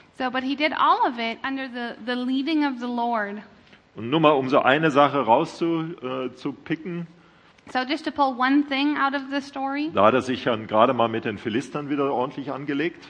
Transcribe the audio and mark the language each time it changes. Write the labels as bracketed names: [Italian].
[English] So, but he did all of it under the leading of the Lord. [German] Und nur mal um so eine Sache rauszupicken. [English] So just to pull one thing out of the story. [German] Da hat er sich dann gerade mal mit den Philistern wieder ordentlich angelegt.